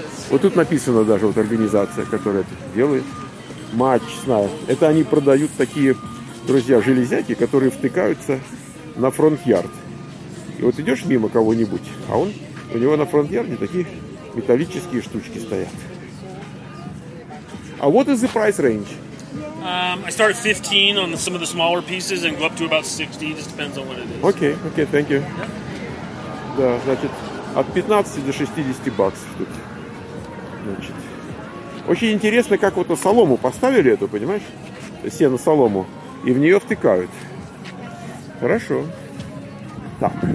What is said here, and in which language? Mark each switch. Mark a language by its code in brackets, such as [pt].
[ru] Вот тут написано даже, вот организация, которая это делает. Мачная. Это они продают такие, друзья, железяки, которые втыкаются на фронт-ярд. И вот идешь мимо кого-нибудь, а он, у него на фронт-ярде такие металлические штучки стоят. А вот и the price range. [en] I start at 15 on some of the smaller pieces and go up to about 60. Just depends on what it is. Okay, thank you. [ru] Да, значит, от 15 до 60 баксов тут. Значит, очень интересно, как вот солому поставили эту, понимаешь? Сено солому. И в нее втыкают. Хорошо. Так.